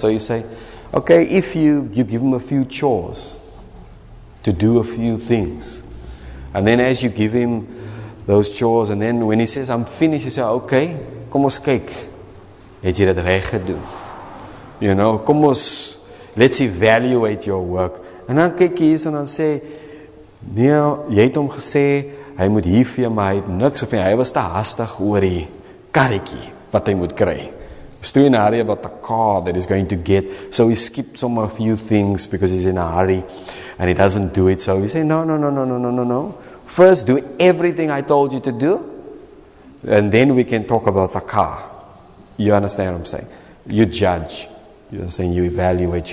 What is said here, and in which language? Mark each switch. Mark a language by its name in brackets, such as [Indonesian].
[English] So you say, okay, if you give him a few chores to do a few things, and then as you give him those chores, and then when he says, I'm finished, you say, okay, [Afrikaans] kom ons kyk. Het jy dit reg gedoen? [English] You know, [Afrikaans] kom ons, [English] let's evaluate your work. [Afrikaans] En dan kyk jy hier en dan sê, nee, jy het hom gesê, hy moet hier vir my, hy het niks, of nie, hy was te hastig oor die karretjie wat hy moet kry. [English] He's too in a hurry about the car that he's going to get. So he skips some a few things because he's in a hurry and he doesn't do it. So he say, no. First, do everything I told you to do. And then we can talk about the car. You understand what I'm saying? You judge. You understand? You evaluate.